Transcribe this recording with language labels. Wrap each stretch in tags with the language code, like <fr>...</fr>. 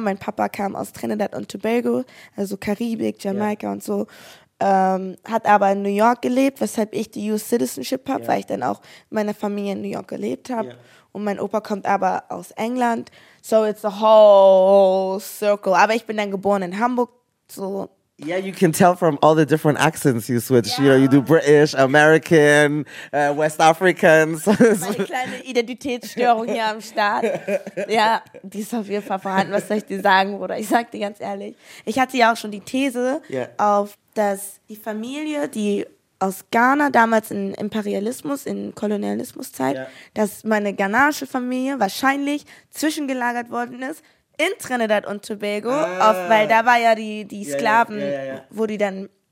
<de>Mein Papa kam aus Trinidad und Tobago. Also Karibik, Jamaika und so. Hat aber in New York gelebt, weshalb ich die US Citizenship habe, weil ich dann auch mit meiner Familie in New York gelebt habe.</de> <en>Yeah.</en> <de>Und mein Opa kommt aber aus England.</de> <en>So, it's a whole circle.</en> <de>Aber ich bin dann geboren in Hamburg, so.</de> <en>Yeah, you can tell from all the different accents you switch. Yeah. You know, you do British, American, West Africans.</en> <de>Meine kleine Identitätsstörung hier am Start. Ja, die ist auf jeden Fall vorhanden. Was soll ich dir sagen, Bruder? Ich sag dir ganz ehrlich. Ich hatte ja auch schon die These auf, dass die Familie, die aus Ghana damals in Imperialismus, in Kolonialismuszeit, dass meine ghanaische Familie wahrscheinlich zwischengelagert worden ist in Trinidad und Tobago, weil da war ja die Sklaven, wo die dann</de>